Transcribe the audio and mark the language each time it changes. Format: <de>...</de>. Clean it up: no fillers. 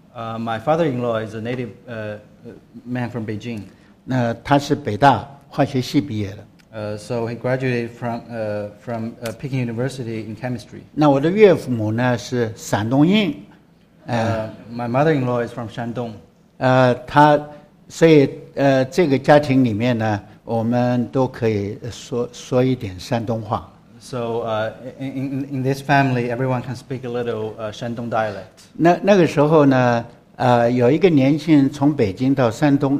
<en>My father-in-law is a native man from Beijing.</en> <zh>那他是北大化学系毕业的。</zh> <en>So he graduated from Peking University in chemistry.</en> <zh>那我的岳父母呢是山东人。</zh> <en>My mother-in-law is from Shandong.</en> <zh>他所以这个家庭里面呢，我们都可以说一点山东话。</zh> <en>So in this family, everyone can speak a little Shandong dialect.</en> <zh>那个时候呢，有一个年轻人从北京到山东。</zh>